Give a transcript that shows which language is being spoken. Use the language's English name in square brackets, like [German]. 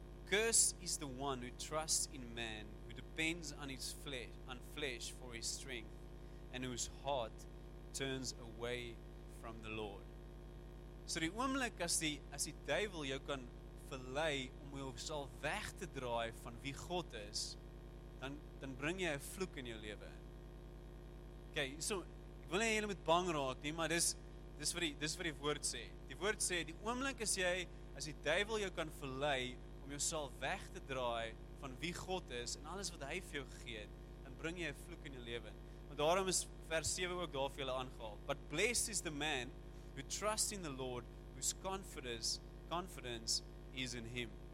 [English] Cursed is the one who trusts in man, who depends on his flesh, for his strength, and whose heart turns away from the Lord. [Afrikaans] So die oomblik as die duivel jou kan verlei om jouself weg te draai van wie God is, dan bring jy 'n vloek in jou lewe. Okay, so ek wil nie jy moet bang raak nie, maar dis vir die woord sê. Die woord sê die oomblik as die duivel jou kan verlei om jouself weg te draai van wie God is en alles wat hy vir jou gegee het, dan bring jy 'n vloek in jou lewe. Maar daarom is vers 7 ook daar vir julle aangehaal. [English] But blessed is the man who trusts in the Lord, whose confidence is in him.